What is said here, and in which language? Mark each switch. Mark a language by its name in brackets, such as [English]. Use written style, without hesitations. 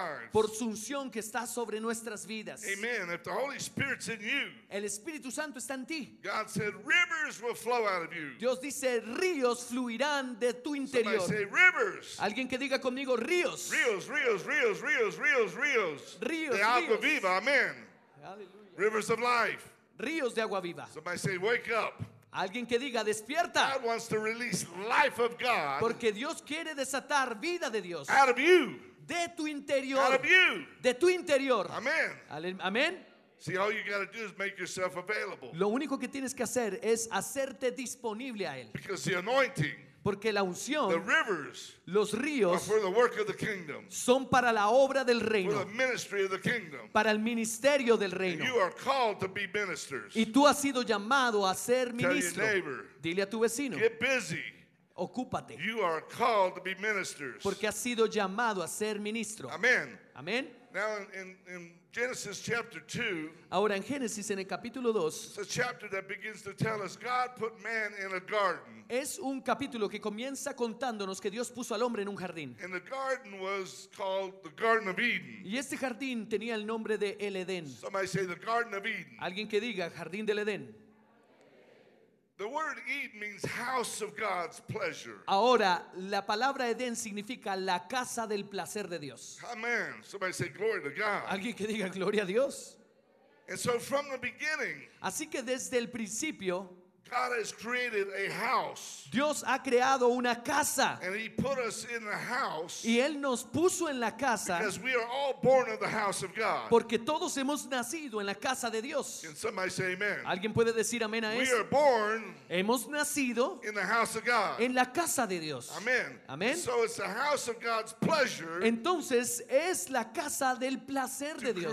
[Spanish] Por su unción que está sobre nuestras vidas. [English] Amen. If the Holy Spirit's in you, [Spanish] el Espíritu Santo está en ti. [English] God said, rivers will flow out of you. [Spanish] Dios dice, ríos fluirán de tu interior. [English] Somebody say, rivers. [Spanish] Alguien que diga conmigo, ríos. Ríos, ríos, ríos, ríos, ríos, ríos. Ríos, de agua viva, amén. Aleluya. [English] Rivers of life. [Spanish] Ríos de agua viva. [English] Somebody say, wake up. [Spanish] Alguien que diga despierta. [English] God wants to release life of God. [Spanish] Porque Dios quiere desatar vida de Dios. [English] Out of you. [Spanish] De tu interior. [English] Out of you. [Spanish] De tu interior. [English] Amen. Amen. See, all you got to do is make yourself available. [Spanish] Lo único que tienes que hacer es hacerte disponible a él. [English] Because the anointing. [Spanish] Porque la unción, [English] the rivers, [Spanish] los ríos, [English] are for the work of the kingdom, [Spanish] son para la obra del reino, [English] for the ministry of the kingdom, [Spanish] para el ministerio del reino. [English] And you are called to be ministers. [Spanish] Y tú has sido llamado a ser ministro. [English] Tell your neighbor, [Spanish] dile a tu vecino, [English] get busy. [Spanish] Ocúpate. [English] You are called to be ministers. [Spanish] Porque has sido llamado a ser ministro. [English] Amen. Amen. Now in Genesis chapter 2. [Spanish] Ahora en Génesis en el capítulo 2. [English] It's a chapter that begins to tell us God put man in a garden. [Spanish] Es un capítulo que comienza contándonos que Dios puso al hombre en un jardín. [English] And the garden was called the Garden of Eden. [Spanish] Y este jardín tenía el nombre de El Edén. [English] Somebody say the Garden of Eden. [Spanish] Alguien que diga Jardín del Edén. [English] The word Eden means house of God's pleasure. [Spanish] Ahora, la palabra Edén significa la casa del placer de Dios. [English] Amen. Somebody say glory to God. [Spanish] Alguien que diga gloria a Dios. [English] And so from the beginning, [Spanish] así que desde el principio, [English] God has created a house. [Spanish] Dios ha creado una casa. [English] And he put us in the house. [Spanish] Y él nos puso en la casa. [English] Because we are all born of the house of God. [Spanish] Porque todos hemos nacido en la casa de Dios. [English] Can somebody say amen? [Spanish] ¿Alguien puede decir amén a eso? [English] We are born. [Spanish] Hemos nacido [English] in the house of God. [Spanish] En la casa de Dios. [English] Amen. Amen. So it's the house of God's pleasure. [Spanish] Entonces es la casa del placer de Dios.